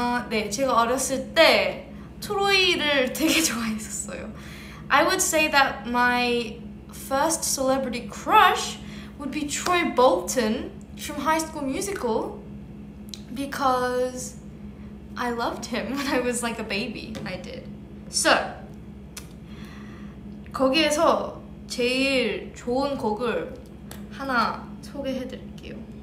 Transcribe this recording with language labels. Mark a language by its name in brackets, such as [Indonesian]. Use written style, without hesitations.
[Korean] 네, 제가 어렸을 때 트로이를 되게 좋아했었어요. [English] I would say that my first celebrity crush would be Troy Bolton from High School Musical because I loved him when I was like a baby. I did. [Korean] So, 거기에서 제일 좋은 곡을 하나 소개해 드릴게요.